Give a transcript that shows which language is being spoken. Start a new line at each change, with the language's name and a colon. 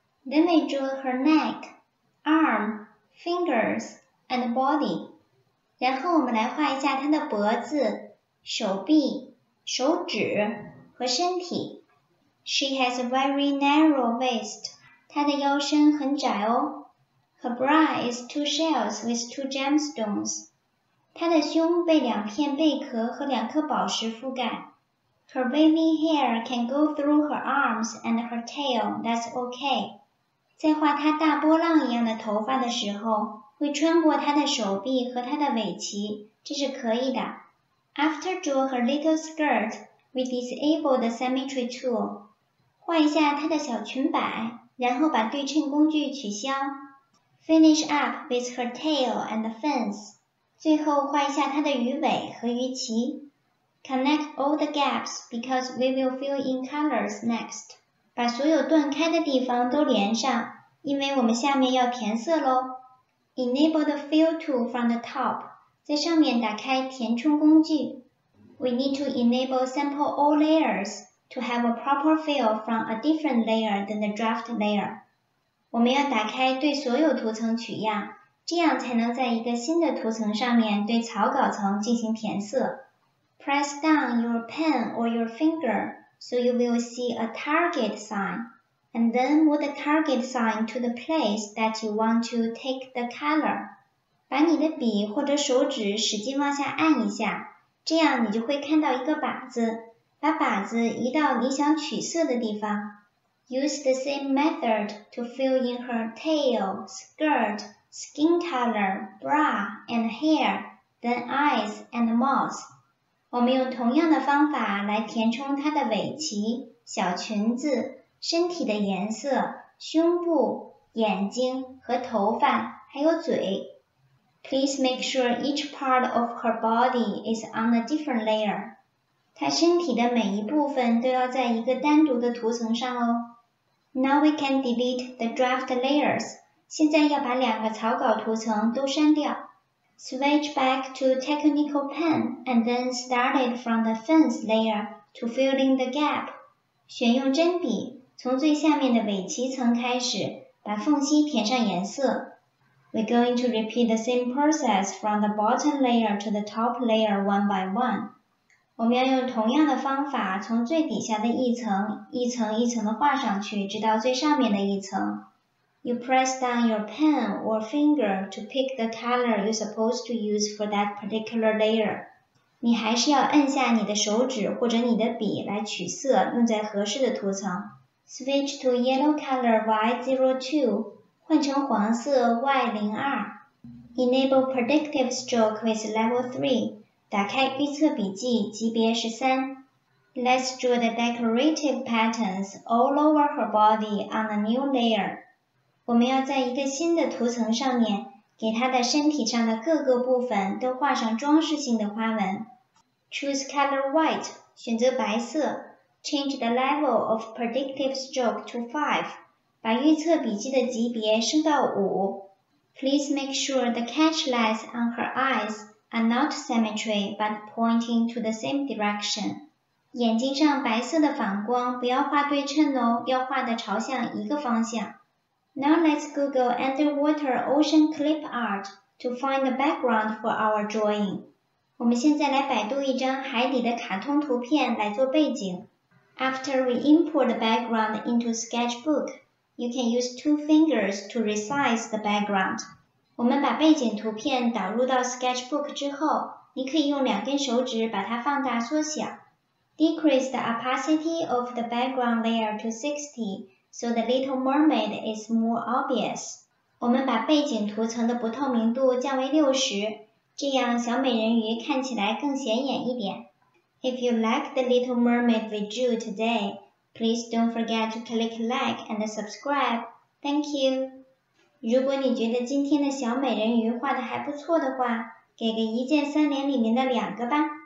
English: Then we draw her neck, arm, fingers, and body.
Chinese: 然后我们来画一下她的脖子、手臂、手指。和身体
English: ，She has a very narrow waist.
Chinese: 她的腰身很窄哦。
English: Her bra is two shells with two gemstones.
Chinese: 她的胸被两片贝壳和两颗宝石覆盖。
English: Her wavy hair can go through her arms and her tail. That's okay.
Chinese: 在画她大波浪一样的头发的时候，会穿过她的手臂和她的尾鳍，这是可以的。
English: After draw her little skirt. We disable the symmetry tool.
Chinese: 画一下她的小裙摆，然后把对称工具取消。
English: Finish up with her tail and the fins.
Chinese: 最后画一下她的鱼尾和鱼鳍。
English: Connect all the gaps because we will fill in colors next.
Chinese: 把所有断开的地方都连上，因为我们下面要填色咯。
English: Enable the fill tool from the top.
Chinese: 在上面打开填充工具。
English: We need to enable sample all layers to have a proper fill from a different layer than the draft layer.
Chinese: 我们要打开对所有图层取样，这样才能在一个新的图层上面对草稿层进行填色。
English: Press down your pen or your finger so you will see a target sign, and then move the target sign to the place that you want to take the color.
Chinese: 把你的笔或者手指使劲往下按一下。这样你就会看到一个靶子，把靶子移到你想取色的地方。
English: Use the same method to fill in her tail, skirt, skin color, bra, and hair then eyes and mouth.
Chinese: 我们用同样的方法来填充它的尾鳍、小裙子、身体的颜色、胸部、眼睛和头发，还有嘴。
English: Please make sure each part of her body is on a different layer.
Chinese: 她身体的每一部分都要在一个单独的图层上哦。
English: Now we can delete the draft layers.
Chinese: 现在要把两个草稿图层都删掉。
English: Switch back to technical pen and then start it from the fence layer to fill in the gap.
Chinese: 选用针笔，从最下面的尾鳍层开始，把缝隙填上颜色。
English: We're going to repeat the same process from the bottom layer to the top layer one by one.
Chinese: 我们要用同样的方法从最底下的一层一层一层的画上去，直到最上面的一层。
English: You press down your pen or finger to pick the color you're supposed to use for that particular layer.
Chinese: 你还是要按下你的手指或者你的笔来取色，用在合适的图层。
English: Switch to yellow color Y02,
Chinese: 换成黄色 Y02.
English: Enable predictive stroke with level 3,
Chinese: 打开预测笔记级别是3。
English: Let's draw the decorative patterns all over her body on a new layer.
Chinese: 我们要在一个新的图层上面，给她的身体上的各个部分都画上装饰性的花纹。
English: Choose color white,
Chinese: 选择白色。
English: Change the level of predictive stroke to 5,
Chinese: 把预测笔记的级别升到5。
English: Please make sure the catch lights on her eyes are not symmetry but pointing to the same direction.
Chinese: 眼睛上白色的反光不要画对称哦，要画的朝向一个方向。
English: Now let's Google underwater ocean clip art to find the background for our drawing.
Chinese: 我们现在来百度一张海底的卡通图片来做背景。
English: After we import the background into sketchbook, you can use two fingers to resize the background.
Chinese: 我们把背景图片导入到 sketchbook 之后，你可以用两根手指把它放大缩小。
English: Decrease the opacity of the background layer to 60. So the Little Mermaid is more obvious.
Chinese: 我们把背景图层的不透明度降为60，这样小美人鱼看起来更显眼一点。
English: If you like the Little Mermaid we drew today, please don't forget to click like and subscribe. Thank you.
Chinese: 如果你觉得今天的小美人鱼画得还不错的话，给个一键三连里面的两个吧。